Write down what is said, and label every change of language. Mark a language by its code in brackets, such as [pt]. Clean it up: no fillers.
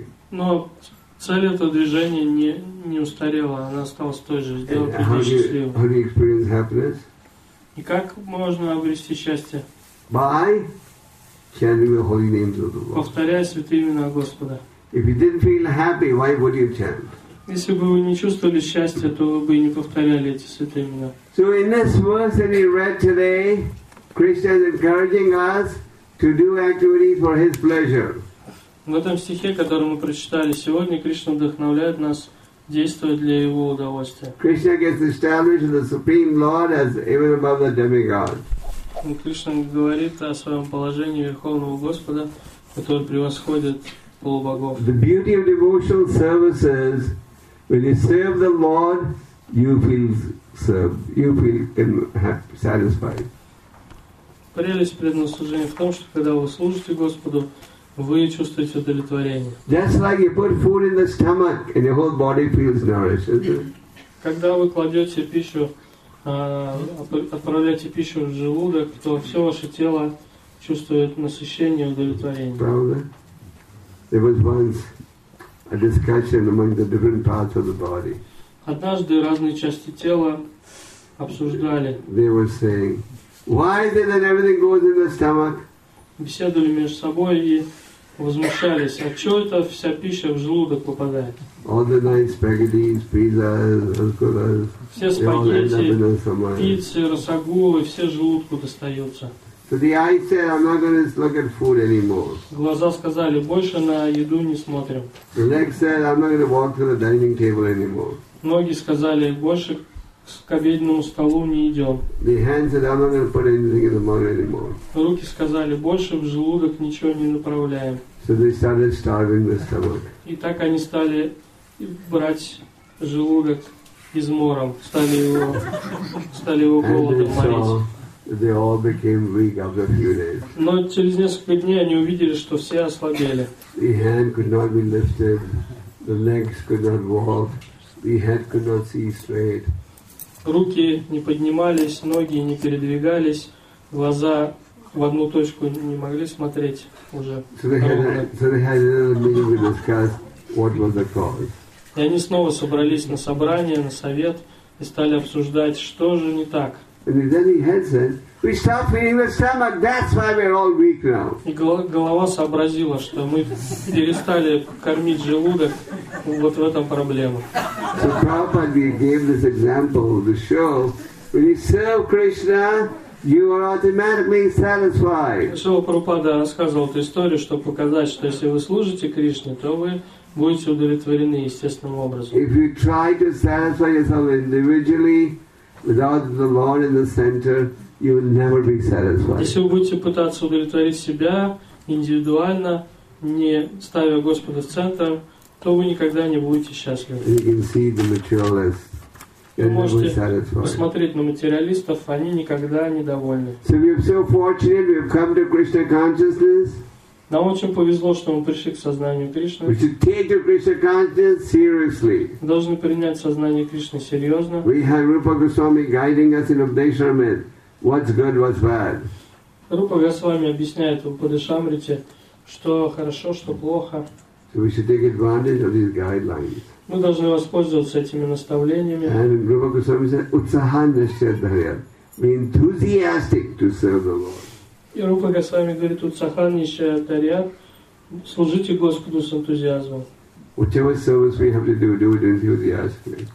[ru] Но цель этого движения не устарела, она осталась той же, сделать людей счастливыми. И как можно обрести счастье? [en] By chanting the holy names of the Lord. [ru] Повторяя святые имена Господа. [en] If you didn't feel happy, why would you chant? [ru] Если бы вы не чувствовали счастья, то вы бы и не повторяли эти святые имена. [en] So in this verse that we read today, Krishna is encouraging us to do activities for His pleasure. [ru] В этом стихе, который мы прочитали сегодня, Кришна вдохновляет нас действовать для Его удовольствия. [en] Krishna gets established as the Supreme Lord as even above the demigod. [ru] Кришна говорит о своем положении Верховного Господа, который превосходит полубогов. [en] The beauty of devotional service is when you serve the Lord, you feel served, you feel satisfied. [ru] Прелесть преднослужения в том, что когда вы служите Господу, вы чувствуете удовлетворение. [en] Just like you put food in the stomach and your whole body feels nourished, isn't it? [ru] Когда вы кладете пищу, отправляете пищу в желудок, то все ваше тело чувствует насыщение, удовлетворение. Правда? [en] There was once a discussion among the different parts of the body. [ru] Однажды разные части тела обсуждали. [en] They were saying, why then everything goes in the stomach? [ru] Беседовали между собой и возмущались, а что это вся пища в желудок попадает? [en] All the nice spaghetti, pizza, [ru] все спагетти, пиццы, рассагулы, все желудку достаются. [en] So the eye said, "I'm not going to look at food anymore." [ru] Глаза сказали, больше на еду не смотрим. [en] The leg said, "I'm not going to walk to the dining table anymore." [ru] Ноги сказали, больше к обеденному столу не идем. [en] The hands said, "I'm not going to put anything in the mouth anymore." [ru] Руки сказали, больше в желудок ничего не направляем. [en] So they started starving the stomach. [ru] И так они стали брать желудок измором, стали его голодом морить. [en] They all became weak after a few days. [ru] Но через несколько дней они увидели, что все ослабели. [en] The hand could not be lifted, the legs could not walk, the head could not see straight. [ru] Руки не поднимались, ноги не передвигались, глаза в одну точку не могли смотреть уже. [en] So they had another meeting to discuss what was the cause. [ru] И они снова собрались на собрание, на совет и стали обсуждать, что же не так. [en] And then the head said, "We stopped feeding the stomach. That's why we're all weak now." [ru] И голова сообразила, что мы перестали кормить желудок. Вот в этом проблема. [en] So Prabhupada gave this example to show: when you serve Krishna, you are automatically satisfied. [ru] Шрила Прабхупада рассказывал эту историю, чтобы показать, что если вы служите Кришне, то вы будете удовлетворены естественным образом. [en] If you try to satisfy yourself individually, without the Lord in the center, you will never be satisfied. [ru] Если вы будете пытаться удовлетворить себя индивидуально, не ставя Господа в центр, то вы никогда не будете счастливы. [en] You can see the materialists. [ru] Вы можете посмотреть на материалистов, они никогда не довольны. [en] So we are so fortunate we have come to Krishna consciousness. [ru] Нам очень повезло, что мы пришли к сознанию Кришны. [en] We should take the Krishna consciousness seriously. [ru] Мы должны принять сознание Кришны серьезно. [en] We have Rupa Goswami guiding us in Upadeshamrita. What's good, what's bad. [ru] Рупа Госвами объясняет в Упадешамрите, что хорошо, что плохо. [en] So we should take advantage of these guidelines. [ru] Мы должны воспользоваться этими наставлениями. [en] And Rupa Goswami said, "Utsahanashchadharya." Be enthusiastic to serve the Lord. [ru] И Рупа Госвами говорит, "Утсаханнишчадхарья, служите Господу с энтузиазмом." [en] Whatever service we have to do, do it enthusiastically.